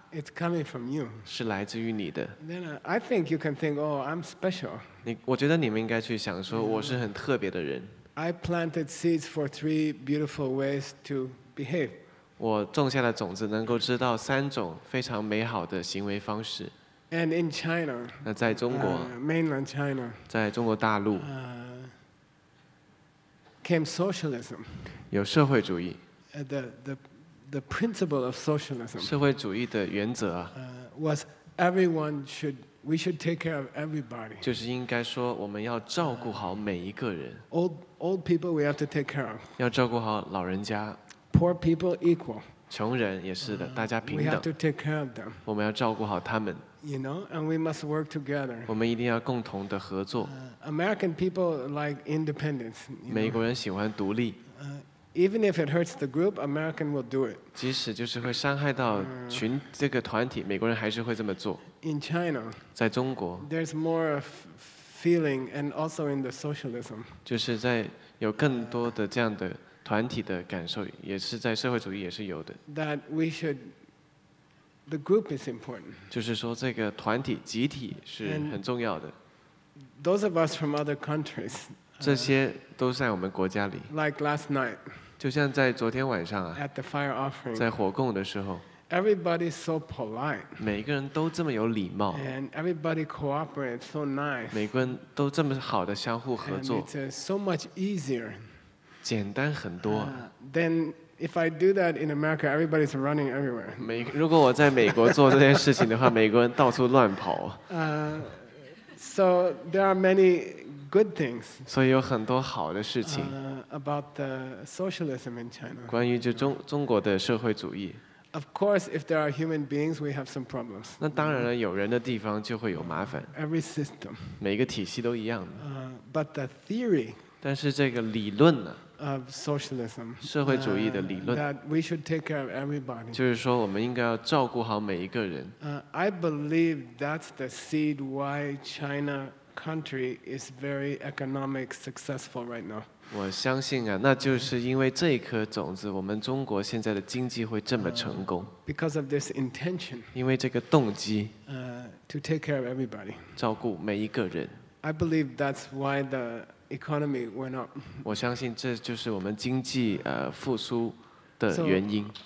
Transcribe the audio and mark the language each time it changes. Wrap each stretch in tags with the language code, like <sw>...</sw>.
<en>It's coming from you.</en> <zh>是来自于你的。</zh> <en>Then I think you can think, oh, I'm special.</en> <zh>我觉得你们应该去想说，我是很特别的人。</zh> <en>I planted seeds for three beautiful ways to behave.</en> <zh>我种下了种子，能够知道三种非常美好的行为方式。</zh> <en>And in China,</en> <zh>那在中国</zh> <en>mainland China,</en> <zh>在中国大陆</zh> <en>came socialism,</en> <zh>有社会主义</zh> <en>the principle of socialism,</en> <zh>社会主义的原则</zh> <en>was everyone should, we should take care of everybody,</en> <zh>就是应该说我们要照顾好每一个人</zh> <en>old people we have to take care of,</en> <zh>要照顾好老人家</zh> <en>poor people equal,</en> <zh>穷人也是的大家平等</zh> <en>we have to take care of them,</en> <zh>我们要照顾好他们</zh> <en>You know, and we must work together.</en> <zh>我们一定要共同的合作。</zh> <en>American people like independence.</en> <zh>美国人喜欢独立。</zh> <en>Even if it hurts the group, American will do it.</en> <zh>即使就是会伤害到群这个团体，美国人还是会这么做。</zh> <en>In China,</en> <zh>在中国</zh> <en>there's more feeling, and also in the socialism.</en> <zh>就是在有更多的这样的团体的感受，也是在社会主义也是有的。</zh> <en>That we should. The group is important.</en> <zh>就是说，这个团体集体是很重要的。</zh> <en>Those of us from other countries.</en> <zh>这些都在我们国家里。</zh> <en>Like last night.</en> <zh>就像在昨天晚上啊。</zh> <en>At the fire offering.</en> <zh>在火供的时候。</zh> <en>Everybody's so polite.</en> <zh>每个人都这么有礼貌。</zh> <en>And everybody cooperates so nice.</en> <zh>每个人都这么好的相互合作。</zh> <en>And it's so much easier.</en> <zh>简单很多。</zh> <en>Then. If I do that in America, everybody's running everywhere.</en> <zh>如果我在美国做这件事情的话，美国人到处乱跑。</zh> <en>So there are many good things.</en> <zh>所以有很多好的事情。</zh> <en>About the socialism in China.</en> <zh>关于就中国的社会主义。</zh> <en>Of course, if there are human beings, we have some problems.</en> <zh>那当然了，有人的地方就会有麻烦。</zh> <en>Every system.</en> <zh>每个体系都一样的。</zh> <en>But the theory.</en> <zh>但是这个理论呢？</zh> <en>of socialism.</en> <zh>社会主义的理论。</zh> <en>That we should take care of everybody.</en> <zh>就是说我们应该要照顾好每一个人。</zh> <en>I believe that's the seed why China country is very economic successful right now.</en> <zh>我相信啊，那就是因为这一颗种子，我们中国现在的经济会这么成功。</zh> <en>Because of this intention.</en> <zh>因为这个动机。</zh> <en>To take care of everybody.</en> <zh>照顾每一个人。</zh> <en>I believe that's why the economy went up.</en> <zh>我相信这就是我们经济复苏的原因。</zh>